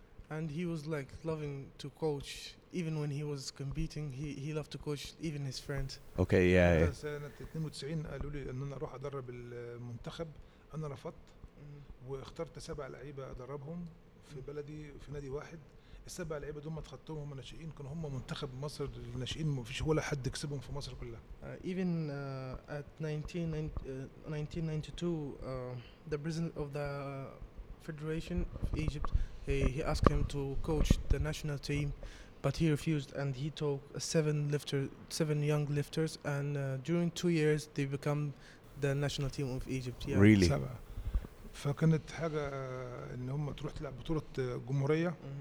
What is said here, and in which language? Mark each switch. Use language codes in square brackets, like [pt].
[en] And he was like loving to coach even when he was competing. He loved to coach even his friends. Okay, yeah. [ar] في سنة 92 قالوا لي إن أنا أروح أدرب المنتخب. أنا رفضت واخترت سبع لعيبة أدربهم في بلدي في نادي واحد. السبع لعيبة دول ما تخطوهم ناشئين كانوا هم منتخب مصر الناشئين ما فيش ولا حد كسبهم في مصر كلها. [en] Even at 1992. The president of the federation of Egypt, he asked him to coach the national team, but he refused, and he took seven young lifters, and during 2 years they become the national team of Egypt. Yeah. Really. [ar] فكانت حاجة إن هم تروح تلعب بطولة جمهورية.